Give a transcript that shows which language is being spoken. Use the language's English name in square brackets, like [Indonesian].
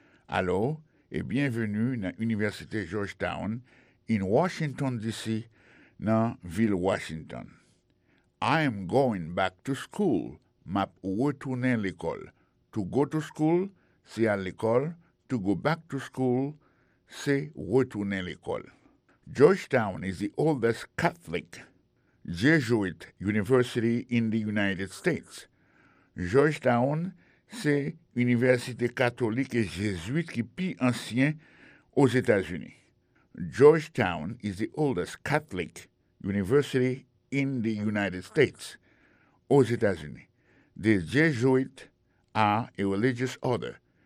[French] Allô et bienvenue dans l'Université Georgetown in Washington, D.C., dans Ville Washington. [English] I am going back to school. M'a retourné l'école. To go to school, c'est à l'école. To go back to school, c'est retourner l'école. Georgetown is the oldest Catholic Jesuit university in the United States. [French] Georgetown, c'est université catholique et jésuite qui plus ancien aux États-Unis. [English] Georgetown is the oldest Catholic university in the United States, aux États-Unis. The Jesuit are a religious order.